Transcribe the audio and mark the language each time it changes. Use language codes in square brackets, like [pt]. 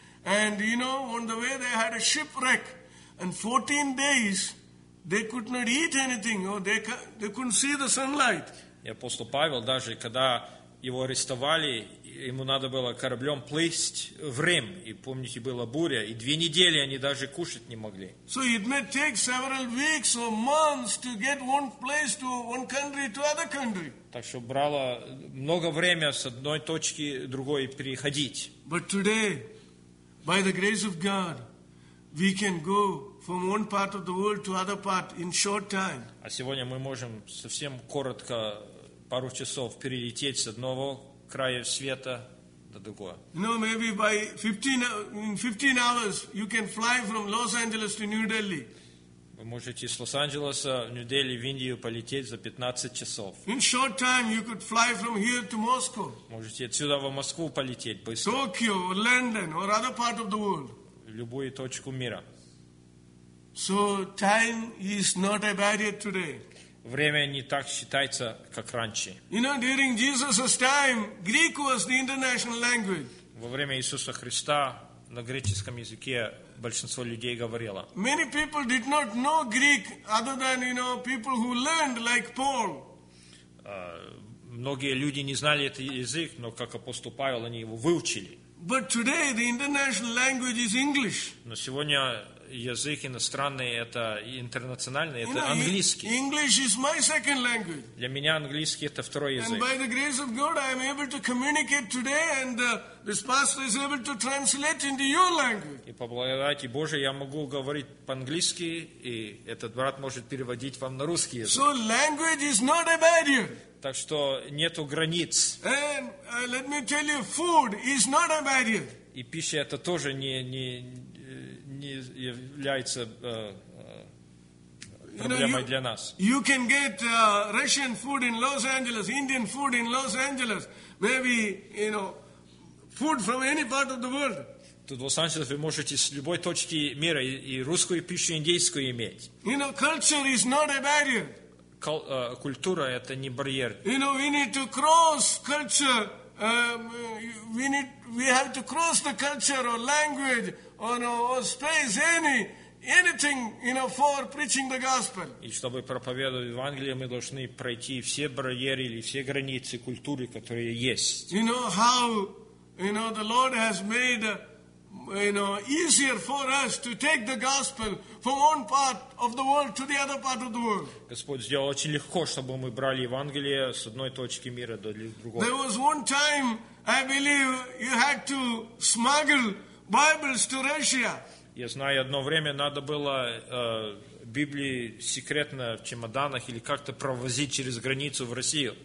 [en] And you know, on the way they had a shipwreck, and 14 days they could not eat anything, or they couldn't see the sunlight. [ru] И апостол Павел, даже когда его арестовали, ему надо было кораблем плыть в Рим, и помните, была буря, и две недели они даже кушать не могли. [en] So it may take several weeks or months to get one place to one country to other country. [ru] Так что брало много времени с одной точки другой переходить. [en] But today, by the grace of God, we can go from one part of the world to other part in short time. [ru] А сегодня мы можем совсем коротко, пару часов, перелететь с одного края света до другого. [en] You know, maybe by 15 hours, you can fly from Los Angeles to New Delhi. [ru] Вы можете из Лос-Анджелеса в неделю в Индию полететь за 15 часов. [en] In short time you could fly from here to Moscow. [ru] Можете отсюда в Москву полететь быстро. [en] Tokyo, or London, or other part of the world. [ru] В любую точку мира. [en] So time is not a barrier today. [ru] Время не так считается, как раньше. [en] You know, during Jesus' time, Greek was the international language. [ru] Во время Иисуса Христа на греческом языке большинство людей говорило. [en] Many people did not know Greek, other than, you know, people who learned, like Paul. [ru] Многие люди не знали этот язык, но как апостол Павел, они его выучили. [en] But today the international language is English. [ru] Но сегодня язык иностранный, это интернациональный, это английский. [en] English is my second language. [ru] Для меня английский это второй язык. [en] And by the grace of God, I am able to communicate today, and this pastor is able to translate into your language. [ru] И по благодати Божией я могу говорить по-английски, и этот брат может переводить вам на русский язык. [en] So language is not a barrier. [ru] Так что нету границ. [en] And let me tell you, food is not a barrier. [ru] И пища это тоже не является проблемой для нас. [en] You can get Russian food in Los Angeles, Indian food in Los Angeles, maybe, you know, food from any part of the world. [ru] Тут в Лос-Анджелесе вы можете с любой точки мира и русскую пищу, и индейскую иметь. [en] You know, culture is not a barrier. [ru] Культура это не барьер. [en] You know, we need to cross culture. We have to cross the culture or language or space anything, you know, for preaching the gospel. [ru] И чтобы проповедовать Евангелие, мы должны пройти все барьеры или все границы культуры, которые есть. [en] You know how, you know, the Lord has made, you know, easier for us to take the gospel from one part of the world to the other part of the world. [ru] Господь сделал очень легко, чтобы мы брали Евангелие с одной точки мира до другого. [en] There was one time, I believe, you had to smuggle Bibles to Russia. [ru] Я знаю, одно время надо было Библии секретно в чемоданах или как-то провозить через границу в Россию.